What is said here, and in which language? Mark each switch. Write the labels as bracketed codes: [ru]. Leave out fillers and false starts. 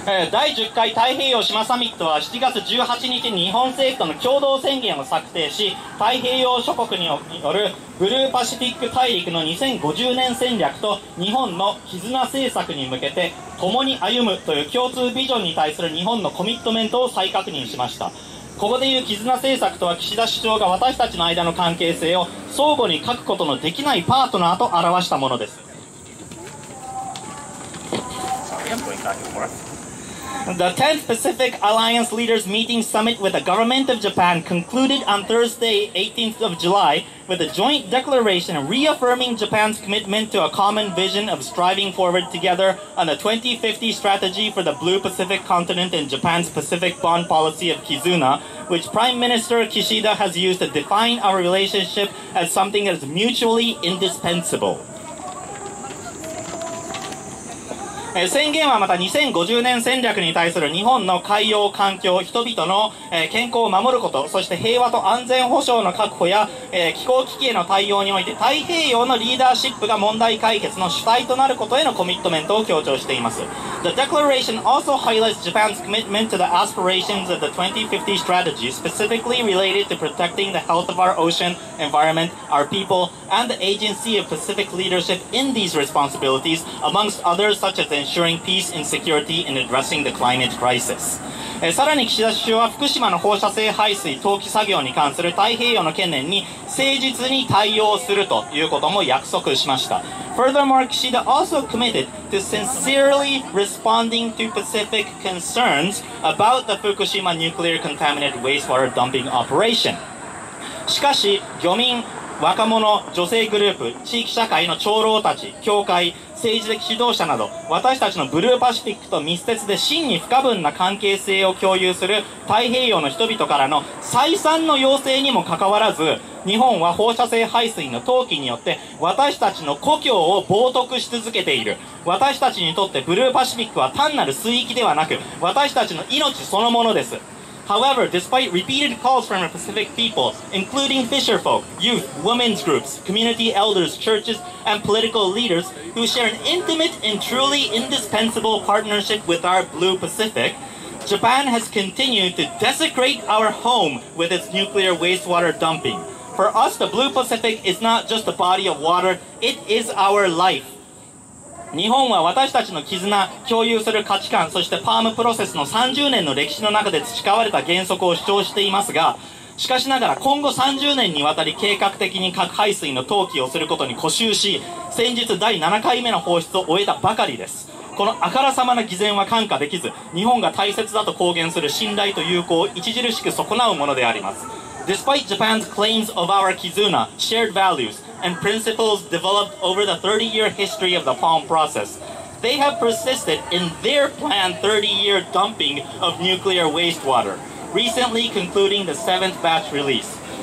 [ja] 第10回太平洋島サミットは7月18日に日本政府との共同宣言を策定し、太平洋諸国によるブルーパシフィック大陸の2050年戦略と日本の絆政策に向けて共に歩むという共通ビジョンに対する日本のコミットメントを再確認しました。ここでいう絆政策とは、岸田首相が私たちの間の関係性を相互に欠くことのできないパートナーと表したものです。 [en] The 10th Pacific Alliance Leaders Meeting Summit with the Government of Japan concluded on Thursday, 18th of July, with a joint declaration reaffirming Japan's commitment to a common vision of striving forward together on the 2050 strategy for the Blue Pacific Continent and Japan's Pacific Bond Policy of Kizuna, which Prime Minister Kishida has used to define our relationship as something that is mutually indispensable. [ja] 宣言はまた2050年戦略に対する日本の海洋環境、人々の健康を守ること、そして平和と安全保障の確保や気候危機への対応において太平洋のリーダーシップが問題解決の主体となることへのコミットメントを強調しています。 [en] The declaration also highlights Japan's commitment to the aspirations of the 2050 strategy specifically related to protecting the health of our ocean, environment, our people and the agency of Pacific leadership in these responsibilities amongst others such asensuring peace and security in addressing the climate crisis. [ja] さらに岸田首相は福島の放射性排水投棄作業に関する太平洋の懸念に誠実に対応するということも約束しました。 [en] Furthermore, Kishida also committed to sincerely responding to Pacific concerns about the Fukushima nuclear contaminated wastewater dumping operation. [ja] しかし、漁民、若者、女性グループ、地域社会の長老たち、教会、政治的指導者など私たちのブルーパシフィックと密接で真に不可分な関係性を共有する太平洋の人々からの再三の要請にもかかわらず、日本は放射性排水の投棄によって私たちの故郷を冒涜し続けている。私たちにとってブルーパシフィックは単なる水域ではなく私たちの命そのものです。 [en] However, despite repeated calls from the Pacific people, including fisher folk, youth, women's groups, community elders, churches, and political leaders who share an intimate and truly indispensable partnership with our Blue Pacific, Japan has continued to desecrate our home with its nuclear wastewater dumping. For us, the Blue Pacific is not just a body of water, it is our life. [ja] 日本は私たちの絆、共有する価値観、そしてパームプロセスの30年の歴史の中で培われた原則を主張していますが、しかしながら今後30年にわたり計画的に核排水の投棄をすることに固執し、先日第7回目の放出を終えたばかりです。このあからさまな偽善は看過できず、日本が大切だと公言する信頼と友好を著しく損なうものであります。 [en] Despite Japan's claims of our Kizuna, shared values, and principles developed over the 30-year history of the Palm process, they have persisted in their planned 30-year dumping of nuclear wastewater, recently concluding the 7th batch release.